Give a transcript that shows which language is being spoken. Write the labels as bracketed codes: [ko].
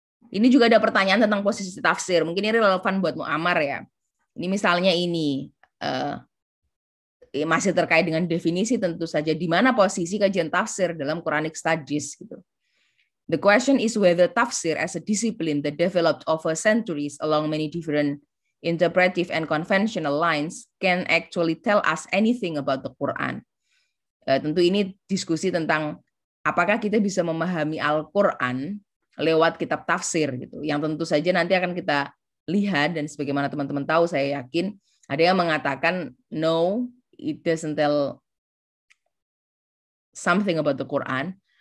[id] Ini juga ada pertanyaan tentang posisi tafsir. Mungkin ini relevan buat Mu'ammar ya. Ini misalnya ini masih terkait dengan definisi tentu saja. Di mana posisi kajian tafsir dalam Qur'anic studies gitu? [en] The question is whether tafsir as a discipline that developed over centuries along many different interpretive and conventional lines can actually tell us anything about the Quran. [id] Tentu ini diskusi tentang apakah kita bisa memahami Al-Quran lewat kitab tafsir gitu. Yang tentu saja nanti akan kita lihat dan sebagaimana teman-teman tahu saya yakin ada yang mengatakan [en] no, it doesn't tell something about the Quran.